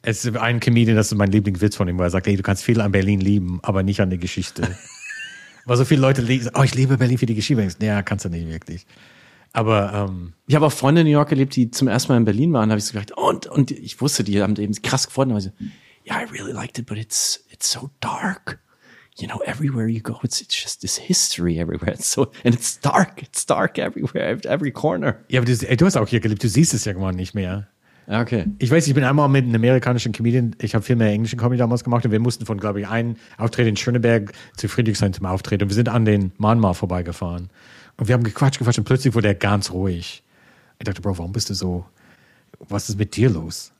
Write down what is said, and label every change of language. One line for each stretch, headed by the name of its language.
German: Es ist ein Comedian, das ist mein Lieblingswitz von ihm, weil er sagt, ey, du kannst viel an Berlin lieben, aber nicht an der Geschichte. Weil so viele Leute lesen, oh, ich liebe Berlin für die Geschichte. Naja, kannst du nicht wirklich. Aber ich habe auch Freunde in New York erlebt, die zum ersten Mal in Berlin waren. Da habe ich so gesagt, und ich wusste, die haben eben krass gefreut. Aber ich so,
English: yeah, I really liked it, but it's so dark. You know, everywhere you go, it's just this history everywhere. And it's dark everywhere, every corner.
German: Ja, aber du hast auch hier gelebt. Du siehst es ja gar nicht mehr. Okay. Ich weiß, ich bin einmal mit einem amerikanischen Comedian, ich habe viel mehr englischen Comedy damals gemacht und wir mussten von, glaube ich, einem Auftritt in Schöneberg zu Friedrichshain zum Auftritt und wir sind an den Mahnmal vorbeigefahren. Und wir haben gequatscht und plötzlich wurde er ganz ruhig. Ich dachte, Bro, warum bist du so, was ist mit dir los?